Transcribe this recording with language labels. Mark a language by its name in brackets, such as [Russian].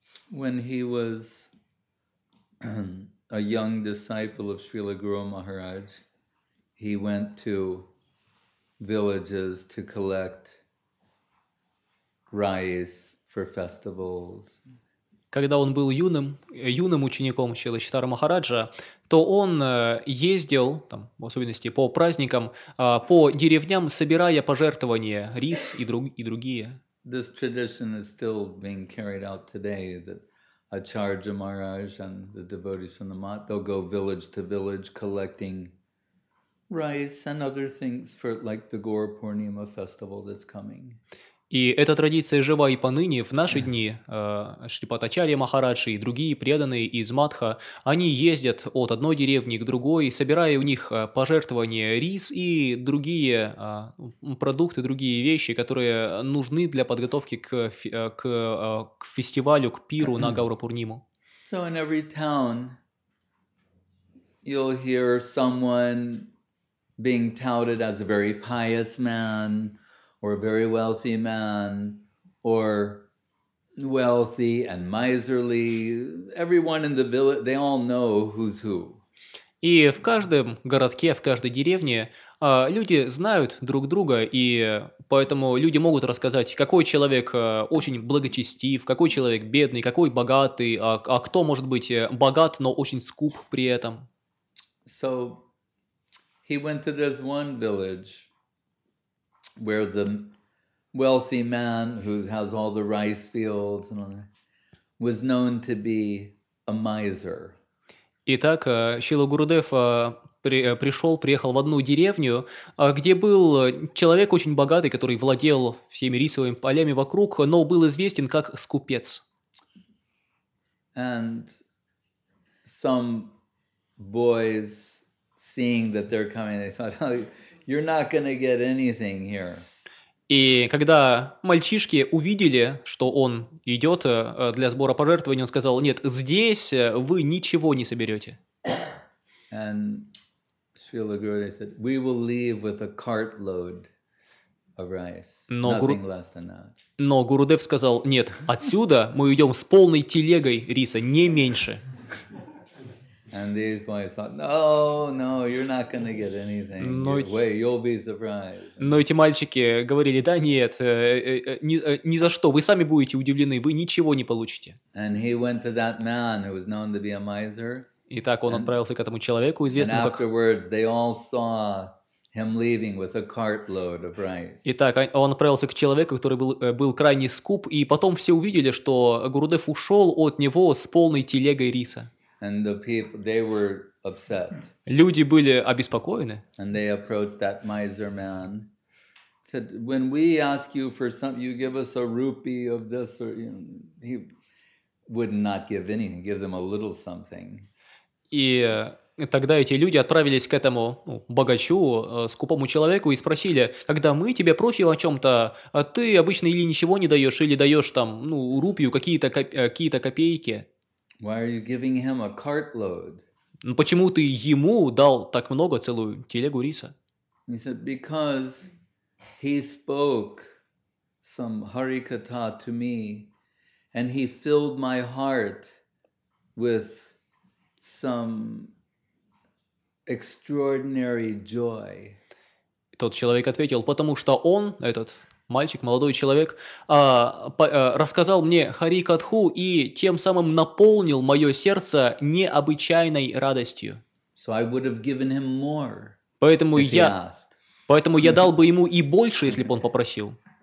[English] When he was a young disciple of Srila Guru Maharaj, he went to villages to collect rice for festivals. [Russian] Когда он был юным учеником Шрилы Чайтаньи Махараджа, то он ездил, там, в особенности по праздникам, по деревням, собирая пожертвования, рис и другие. [English] This tradition is still being carried out today, that Acharya Maharaj and the devotees from the mat, they'll go village to village collecting rice and other things for like the Gaur Purnima festival that's coming. [Russian] И эта традиция жива и поныне, в наши дни Шрипад Ачарья Махарадж и другие преданные из Мадха, они ездят от одной деревни к другой, собирая у них пожертвования рис и другие продукты, другие вещи, которые нужны для подготовки к фестивалю, к пиру на Гаура-Пурниму. [English] So in every town you'll hear someone being touted as a very pious man, or a very wealthy man, or wealthy and miserly. Everyone in the village, they all know who's who. [Russian] И в каждом городке, в каждой деревне люди знают друг друга, и поэтому люди могут рассказать, какой человек очень благочестив, какой человек бедный, какой богатый, а кто может быть богат, но очень скуп при этом. [English] So he went to this one village where the wealthy man who has all the rice fields and all that was known to be a miser. [Russian] Итак, Шрила Гурудев приехал в одну деревню, где был человек очень богатый, который владел всеми рисовыми полями вокруг, но был известен как скупец. [English] And some boys, seeing that they're coming, they thought, oh, you're not going to get anything here. [Russian] И когда мальчишки увидели, что он идет для сбора пожертвований, он сказал, нет, здесь вы ничего не соберете. [English] And Srila Gurudev said, we will leave with a cartload of rice, nothing less than that. [Russian] Но Гурудев сказал, нет, отсюда мы уйдем с полной телегой риса, не меньше. [English] And these boys thought, no, no, you're not going to get anything. No way, you'll be surprised. [Russian] Но эти мальчики говорили, да, нет, ни за что, вы сами будете удивлены, вы ничего не получите. [English] And he went to that man who was known to be a miser. [Russian] Итак, он отправился к этому человеку, известному как... [English] And afterwards, they all saw him leaving with a cartload of rice. [Russian] Итак, он отправился к человеку, который был крайне скуп, и потом все увидели, что Гурудев ушел от него с полной телегой риса. [English] And the people, they were upset. [Russian] Люди были обеспокоены. [English] And they approached that miser man. Said, when we ask you for something, you give us a rupee of this, or you know, he would not give anything, give them a little something. [Russian] И тогда эти люди отправились к этому богачу, скупому человеку, и спросили, когда мы тебя просим о чем-то, ты обычно или ничего не даешь, или даешь там, ну, рупию, какие-то копейки. [English] Why are you giving him a cartload? [Russian] Почему ты ему дал так много, целую телегу риса? [English] He said, because he spoke some harikata to me, and he filled my heart with some extraordinary joy. [Russian] Тот человек ответил, потому что он, этот мальчик, молодой человек, рассказал мне харикатху и тем самым наполнил мое сердце необычайной радостью. [English] So I would have given him more. [Russian] Поэтому я Поэтому я дал бы ему и больше, если бы он попросил.